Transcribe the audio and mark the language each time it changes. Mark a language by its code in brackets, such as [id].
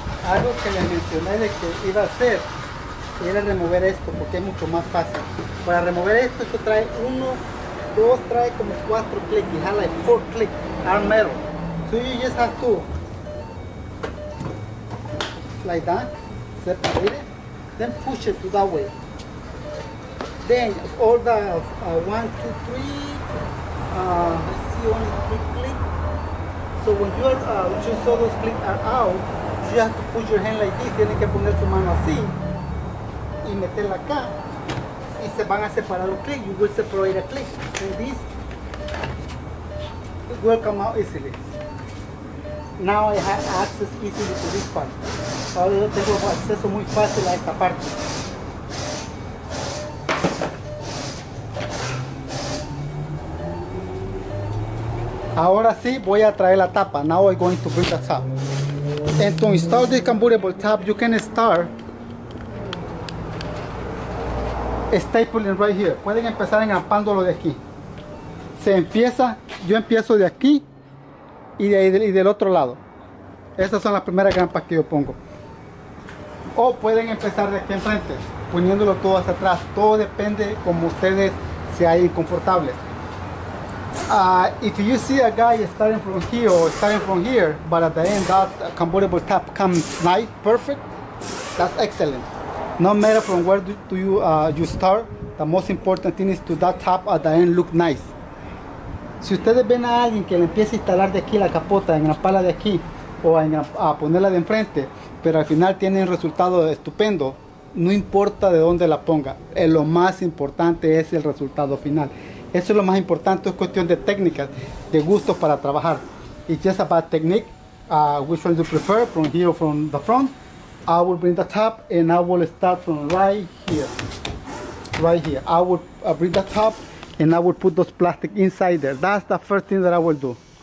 [es] Algo que les mencioné de que iba a hacer era remover esto, porque es mucho más fácil. Para remover esto, esto trae uno, dos, trae como cuatro clics. [en] It has like four clics, arm metal. So you just have to, like that, separate it, then push it to that way. Then all the one, two, three, I see only three clics. So when you are, your shoulder splits are out, you have to put your hand like this, [es] tienen que poner su mano así y meterla acá y se van a separar los clics, [en] you will separate a click. And this will come out easily. Now I have access easily to this part. [es] Ahora yo tengo acceso muy fácil a esta parte. Ahora sí voy a traer la tapa. [en] Now I'm going to bring the top. And to install this convertible top, you can start stapling right here. [es] Pueden empezar engrampándolo de aquí. Se empieza, yo empiezo de aquí y de ahí y del otro lado. Estas son las primeras grampas que yo pongo. O pueden empezar de aquí enfrente, poniéndolo todo hacia atrás. Todo depende como ustedes se hayan confortables. [en] If you see a guy starting from here or starting from here, but at the end that convertible top comes nice, perfect, that's excellent. No matter from where you start, the most important thing is to that top at the end look nice. [es] Si ustedes ven a alguien que le empieza a instalar de aquí la capota, en la pala de aquí, o a ponerla de enfrente, pero al final tienen resultado estupendo, no importa de dónde la ponga, lo más importante es el resultado final. Eso es lo más importante, es cuestión de técnicas, de gustos para trabajar. [en] It's just about technique, which one do you prefer, from here or from the front. I will bring the top and I will start from right here. I will bring the top and I will put those plastic inside there. That's the first thing that I will do.